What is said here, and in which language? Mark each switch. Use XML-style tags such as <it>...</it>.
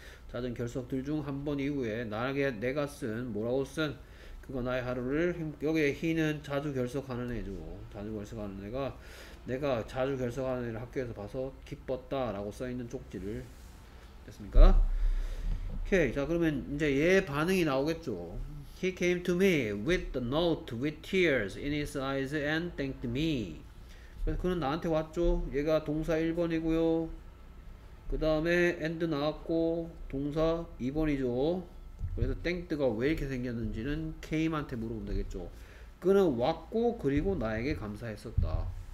<ko>잦은 결석들 중 한 번 이후에 나에게 내가 쓴 뭐라고 쓴 그거 나의 하루를 여기에 he는 자주 결석하는 애죠. 자주 결석하는 애가 내가 자주 결석하는 애를 학교에서 봐서 기뻤다 라고 써있는 쪽지를 됐습니까? 오케이. 자, 그러면 이제 얘 반응이 나오겠죠.</ko> <en>He came to me with the note with tears in his eyes and thanked me.</en> <ko>그래서 그는 나한테 왔죠. 얘가 동사 1번이고요. 그 다음에 and 나왔고 동사 2번이죠. 그래서 땡뜨가 왜 이렇게 생겼는지는 케임한테 물어보면 되겠죠. 그는 왔고 그리고 나에게 감사했었다.</ko>